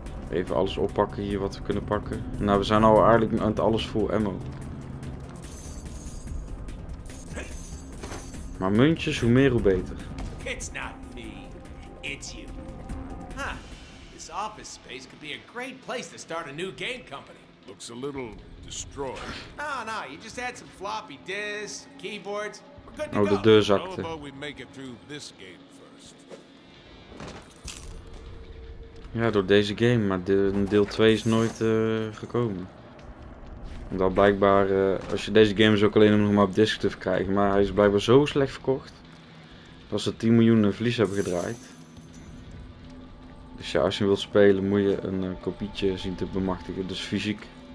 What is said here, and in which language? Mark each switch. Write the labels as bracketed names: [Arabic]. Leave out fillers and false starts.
[Dutch] Even alles oppakken hier wat we kunnen pakken. Nou, we zijn al aardig met alles vol ammo. Maar muntjes, hoe meer hoe beter. [English] It's not me, it's you. Huh, this office space could be a great place to start a new game company. Looks a little destroyed. Oh no, you just had some floppy disks, keyboards. We're good to go. [Dutch] Oh, de deur zakte. [English] How about we make it through this game first? [Dutch] Ja, door deze game, maar deel 2 is nooit gekomen. Omdat blijkbaar, als je deze game is ook alleen om hem op disc te verkrijgen, maar hij is blijkbaar zo slecht verkocht. Dat ze 10 miljoen verlies hebben gedraaid. Dus ja, als je hem wilt spelen moet je een kopietje zien te bemachtigen, dus fysiek.